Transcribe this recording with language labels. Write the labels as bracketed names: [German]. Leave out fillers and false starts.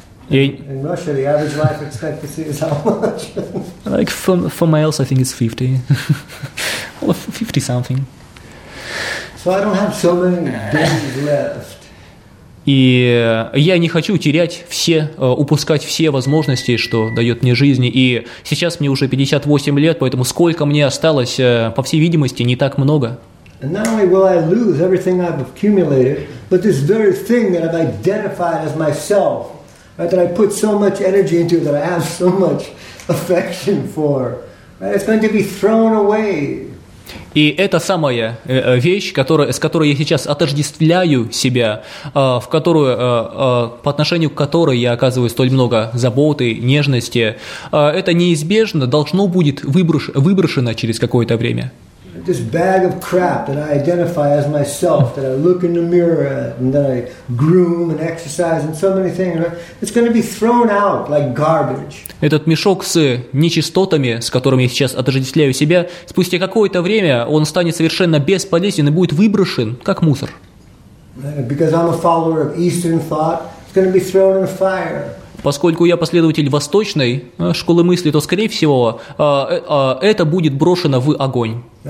[English] In Russia, the average life expectancy is how much? Like for males, I think it's 50. Well, 50-something. So I don't have so many days left. [Russian] И я не хочу терять все, упускать все возможности, что дает мне жизнь. И сейчас мне уже 58 лет, поэтому сколько мне осталось, по всей видимости, не так много. [English] And not only will I lose everything I've accumulated, but this very thing that I've identified as myself, right, that I put so much energy into, that I have so much affection for, right, it's going to be thrown away. [Russian] И эта самая вещь, с которой я сейчас отождествляю себя, в которую, по отношению к которой я оказываю столь много заботы, нежности, это неизбежно должно будет выброшено через какое-то время. [English] This bag of crap that I identify as myself, that I look in the mirror at, and that I groom and exercise and so many things, right? It's going to be thrown out like garbage. [Russian] Этот мешок с нечистотами, с которыми я сейчас отождествляю себя, спустя какое-то время он станет совершенно бесполезен и будет выброшен, как мусор. [English] Because I'm a follower of Eastern thought, it's going to be thrown in the fire. [Russian] Поскольку я последователь восточной школы мысли, то, скорее всего, это будет брошено в огонь.